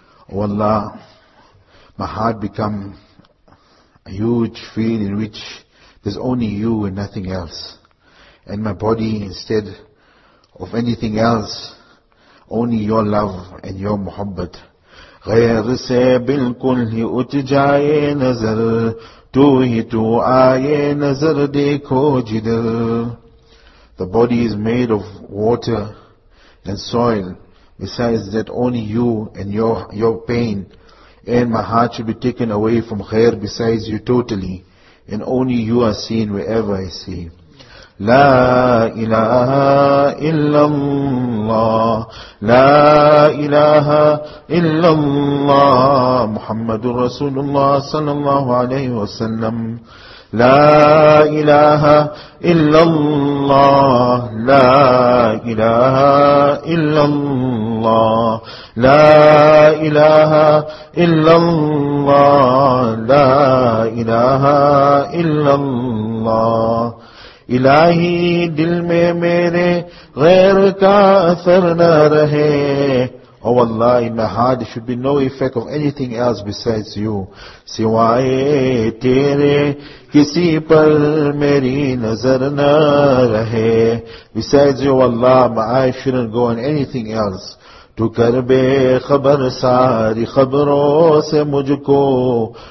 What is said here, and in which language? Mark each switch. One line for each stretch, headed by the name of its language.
English: O Allah, my heart become a huge field in which there's only you and nothing else. And my body, instead of anything else, only your love and your muhabbat.
Urdu: غير سے بالکل ہی اٹھ جائے نظر تو ہی تو آئے نظر دیکھو جدر.
English: The body is made of water and soil. Besides that, only you and your pain, and my heart should be taken away from khair besides you totally, and only you are seen wherever I see.
Arabic: La ilaha illallah, la ilaha illallah, Muhammadur Rasulullah sallallahu alayhi wa sallam. لا إله إلا الله لا إله إلا الله لا إله إلا الله لا إله إلا الله إلهي
Urdu: دل میں میرے غیر کا اثر نہ رہے.
English: O Allah, in my heart there should be no effect of anything else besides you.
Urdu: Siwaye tere kisi par meri nazar na rahe.
English: Besides you, O Allah, my eyes shouldn't go on anything else.
Urdu: Tu kar be khabar sari khabro se mujko.